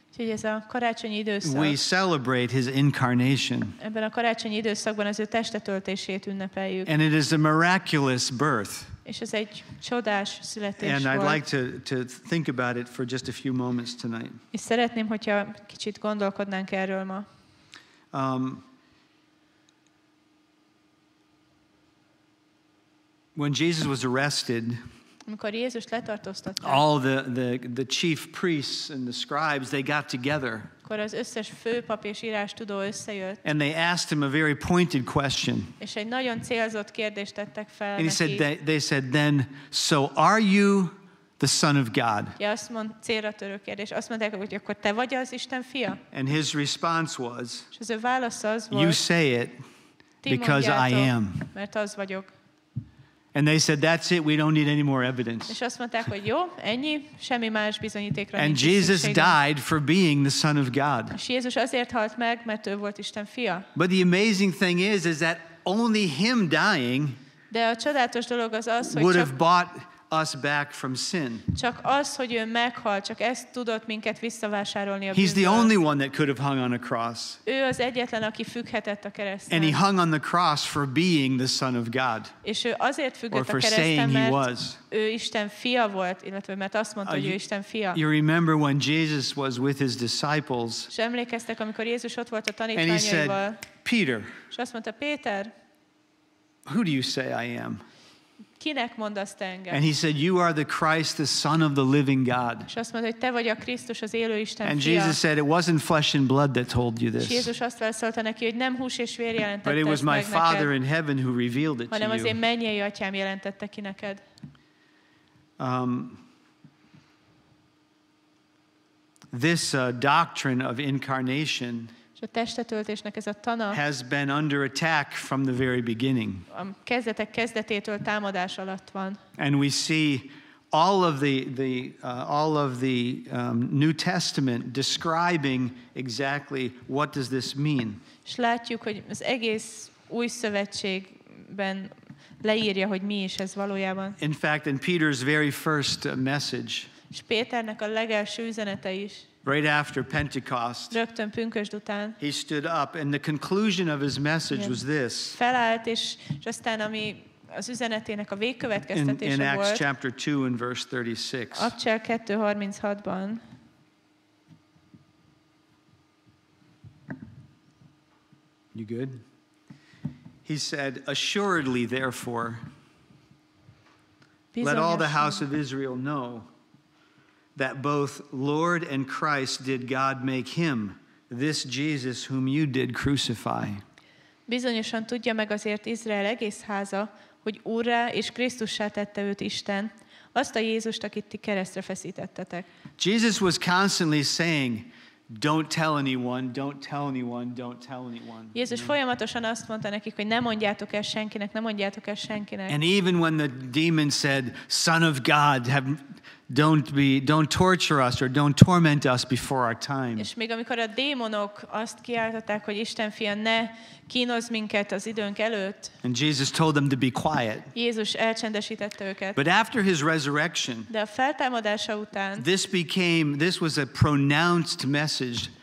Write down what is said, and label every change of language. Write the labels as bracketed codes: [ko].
[hu] Úgyhogy ez a karácsonyi időszak. [en] We celebrate his incarnation. [hu] Ebben a karácsonyi időszakban az ő testetöltését ünnepeljük. [en] And it is a miraculous birth. [hu] És ez egy csodás születés [en] and [hu] volt. [en] I'd like to think about it for just a few moments tonight. [hu] És szeretném, hogyha kicsit gondolkodnánk erről ma. [en] When Jesus was arrested, [hu] amikor Jézus letartóztatták, [en] all the chief priests and the scribes, they got together. [hu] Akkor az összes főpap és írástudó összejött. [en] And they asked him a very pointed question. [hu] És egy nagyon célzott kérdést tettek fel [en] and [hu] neki. [en] And they said, then, so are you the Son of God? [hu] Ja, azt mond, célra törő kérdés. Azt mondták, hogy akkor te vagy az Isten fia? [en] And his response was, [hu] és az ő válasz az volt, [en] you say it because I am. [hu] Mert az vagyok. [en] And they said, that's it, we don't need any more evidence. [hu] És azt mondták, hogy jó, ennyi, semmi más bizonyítékra. [en] And Jesus died for being the Son of God. [hu] És Jézus azért halt meg, mert ő volt Isten fia. [en] But the amazing thing is that only him dying [hu] de a csodálatos dolog az az, hogy [en] would have bought us back from sin. [hu] Csak az, hogy ő meghalt, csak ezt tudott minket visszavásárolni a bűnből. [en] He's the only one that could have hung on a cross. [hu] Ő az egyetlen, aki függhetett a kereszten. [en] And he hung on the cross for being the Son of God. [hu] És ő azért függött a kereszten, mert ő Isten fia volt, illetve mert azt mondta, hogy ő Isten fia. [en] You remember when Jesus was with his disciples? [hu] És emlékeztek, amikor Jézus ott volt a tanítványaival. [en] Peter. [hu] És azt mondta Péter. [en] Who do you say I am? [hu] Kinek mondasz te engem? [en] And he said, you are the Christ, the Son of the living God. [hu] És azt mondta, hogy te vagy a Krisztus, az élő Isten fia. [en] And Jesus said, it wasn't flesh and blood that told you this. [hu] Jézus azt válaszolta neki, hogy nem hús és vér jelentette [en] But it was my Father in heaven who revealed it to you. [hu] Hanem az én mennyei atyám jelentette ki neked. [en] This doctrine of incarnation [hu] a testetöltésnek ez a tana [en] has been under attack from the very beginning. [hu] A kezdetek kezdetétől támadás alatt van. [en] And we see all of the New Testament describing exactly what does this mean. [hu] És látjuk, hogy az egész Új Szövetségben leírja, hogy mi is ez valójában. [en] In fact, in Peter's very first message. [hu] És Péternek a legelső üzenete is. [en] Right after Pentecost, [hu] rögtön pünkösd után, [en] he stood up, and the conclusion of his message was this. [hu] Felállt, és aztán, ami az üzenetének a végkövetkeztetése volt. [en] In Acts chapter 2 and verse 36. [hu] Apcsel 2:36-ban. [en] You good? He said, assuredly, therefore, [hu] bizonyosan, [en] let all the house of Israel know that both Lord and Christ did God make him, this Jesus whom you did crucify. [hu] Bizonyosan tudja meg azért Izrael egész háza, hogy Úrrá és Krisztussá tette őt Isten, azt a Jézust, akit ti keresztre feszítettetek. [en] Jesus was constantly saying, don't tell anyone, don't tell anyone, don't tell anyone. [hu] Jézus folyamatosan azt mondta nekik, hogy ne mondjátok el senkinek, ne mondjátok el senkinek. [en] And even when the demon said, Son of God, don't torture us or don't torment us before our time. [hu] És még amikor a démonok azt kiáltották, hogy Isten fia, ne kínozz minket az időnk előtt. [en] And Jesus told them to be quiet. [hu] Jézus elcsendesítette őket. [en] But after his resurrection, [hu] de a feltámadása után, [en] this was a pronounced message.